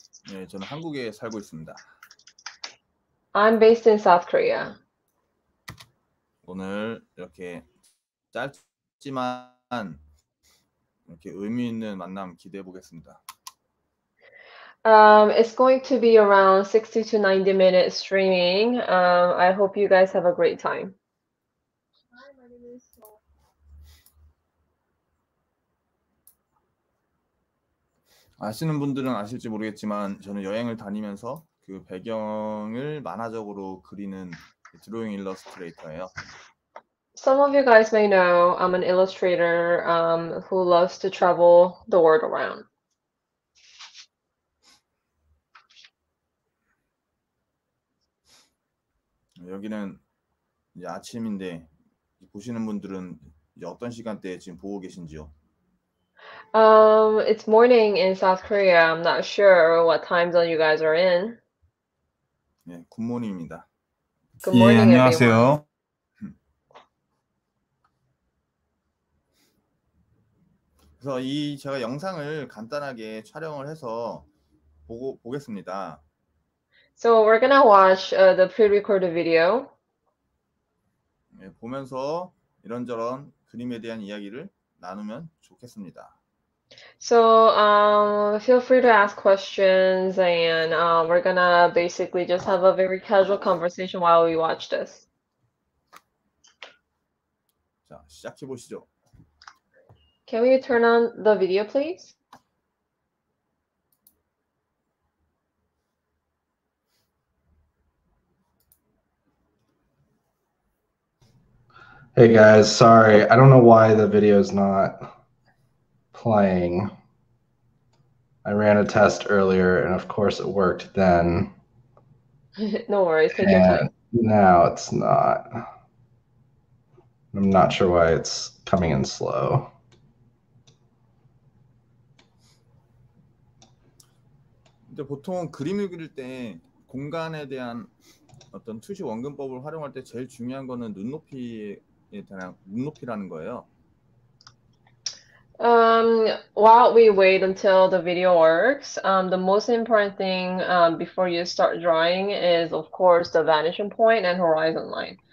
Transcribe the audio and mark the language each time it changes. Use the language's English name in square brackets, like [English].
[Korean] 네, 저는 한국에 살고 있습니다. [English] I'm based in South Korea. [Korean] 오늘 이렇게 짧지만 이렇게 의미 있는 만남 기대해 보겠습니다. [English] It's going to be around 60 to 90 minutes streaming. I hope you guys have a great time. Hi, my name is Joel. [Korean] Hi, 아시는 분들은 아실지 모르겠지만 저는 여행을 다니면서 그 배경을 만화적으로 그리는 드로잉 일러스트레이터예요. [English] Some of you guys may know I'm an illustrator, who loves to travel the world around. [Korean] 여기는 이제 아침인데 보시는 분들은 이제 어떤 시간대에 지금 보고 계신지요? [English] It's morning in South Korea. I'm not sure what time zone you guys are in. [Korean] Yeah, 굿모닝입니다. [English] Good [Korean] 예, [English] morning, everyone. [Korean] 안녕하세요. 그래서 이 제가 영상을 간단하게 촬영을 해서 보겠습니다. [English] So we're gonna watch the pre-recorded video. [Korean] 예, 보면서 이런저런 그림에 대한 이야기를 나누면 좋겠습니다. [English] So, feel free to ask questions, and we're gonna basically just have a very casual conversation while we watch this. [Korean] 자, 시작해 보시죠. [English] Can we turn on the video, please? Hey guys, sorry. I don't know why the video is not playing. I ran a test earlier and of course it worked then. No worries, take your time. And now it's not. I'm not sure why it's coming in slow. [Korean] 근데 보통 그림을 그릴 때 공간에 대한 어떤 투시 원근법을 활용할 때 제일 중요한 거는 눈높이라는 거예요. [English] While we wait until the video works, the most important thing before you start drawing is, of course, the vanishing point and horizon line.